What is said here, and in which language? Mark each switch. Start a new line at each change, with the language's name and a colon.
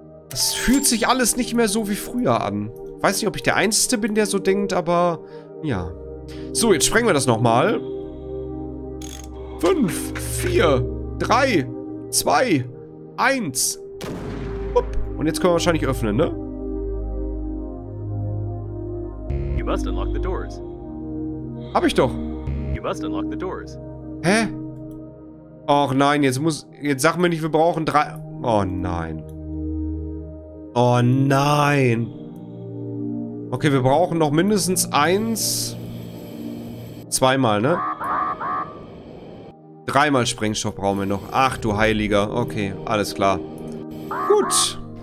German: Das fühlt sich alles nicht mehr so wie früher an. Weiß nicht, ob ich der Einzige bin, der so denkt, aber... Ja. So, jetzt sprengen wir das nochmal. 5, 4, 3, 2, 1. Und jetzt können wir wahrscheinlich öffnen, ne?
English: You must unlock the doors.
German: Hab ich doch.
English: You must unlock the doors. Hä?
German: Och nein, jetzt sag mir nicht, wir brauchen 3... Oh nein. Oh nein. Okay, wir brauchen noch mindestens 1... Zweimal, ne? Dreimal Sprengstoff brauchen wir noch. Ach du Heiliger. Okay, alles klar. Gut.